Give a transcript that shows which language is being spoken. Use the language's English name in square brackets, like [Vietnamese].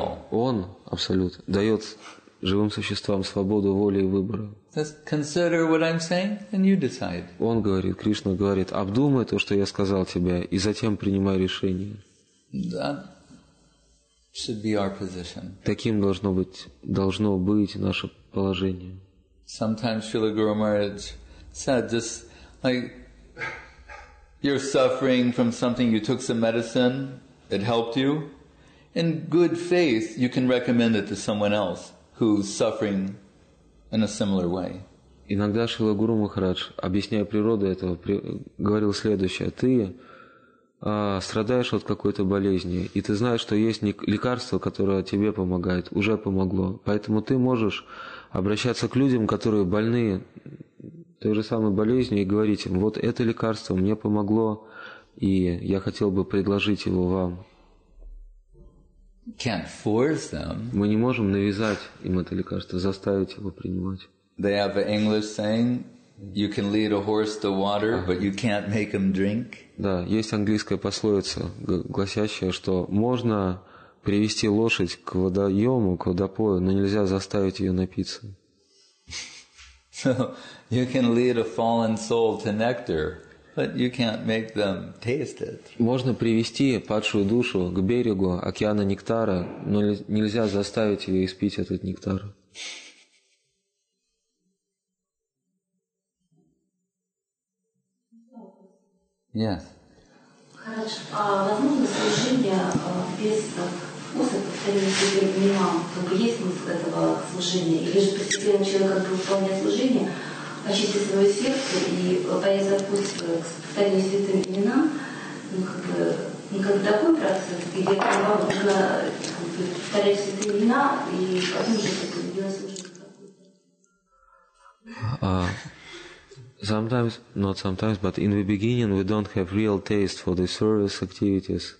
[Russian] Он, абсолют, дает живым существам свободу воли и выбора. [English] Just consider what I'm saying, and you decide. [Russian] Он говорит, Кришна говорит, обдумай то, что я сказал тебе, и затем принимай решение. [English] That should be our position. [Russian] Таким должно быть наше положение. [English] Sometimes Srila Guru Maharaj said, just like you're suffering from something, you took some medicine, it helped you. In good faith, you can recommend it to someone else who's suffering in a similar way. [Russian] Иногда Шрила Гуру Махарадж, объясняя природу этого, говорил следующее. Ты страдаешь от какой-то болезни, и ты знаешь, что есть лекарство, которое тебе помогает, уже помогло. Поэтому ты можешь обращаться к людям, которые больны той же самой болезнью, и говорить им, вот это лекарство мне помогло, и я хотел бы предложить его вам. [English] Can't force them. [Russian] Мы не можем навязать им это лекарство, заставить его принимать. [English] They have an English saying: "You can lead a horse to water, but you can't make him drink." [Russian] Да, есть английская пословица, гласящая, что можно привести лошадь к водоему, к водопою, но нельзя заставить ее напиться. [English] So you can lead a fallen soul to nectar, but you can't make them taste it. [Russian] Можно привести падшую душу к берегу океана нектара, но нельзя заставить ее испить этот нектар. [English] Yes. [Russian] Хорошо. Возможно служение без вкуса, повторяю, если я понимаю, как бы есть смысл этого служения, или же постепенно человек как бы выполняет служение, очистить свое сердце и появиться в путь к состоянию святым именам, как бы такой процесс, где вам нужно повторять святые имена и потом же это делать уже какой-то. [English] Sometimes, but in the beginning we don't have real taste for the service activities.